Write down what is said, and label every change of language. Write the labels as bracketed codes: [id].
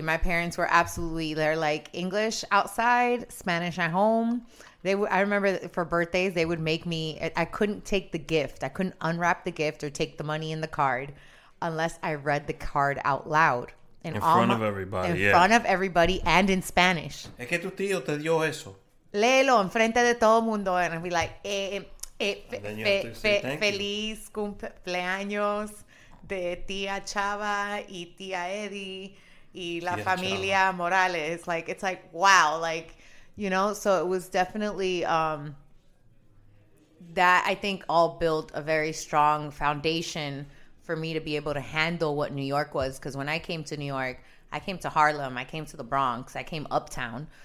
[en] My parents were absolutely, they're like English outside, Spanish at home. They would, I remember for birthdays, they would make me, I couldn't take the gift. I couldn't unwrap the gift or take the money in the card unless I read the card out loud. In front of everybody and in Spanish. [es] Es que tu tío te dio eso. Léelo en frente de todo mundo. [en] And I'd be like, [es] feliz cumpleaños de tía Chava y tía Eddie y la tía familia Chava. [en] Morales. Like, it's like, wow. Like, you know, so it was definitely that I think all built a very strong foundation for me to be able to handle what New York was. Because when I came to New York, I came to Harlem, I came to the Bronx, I came uptown.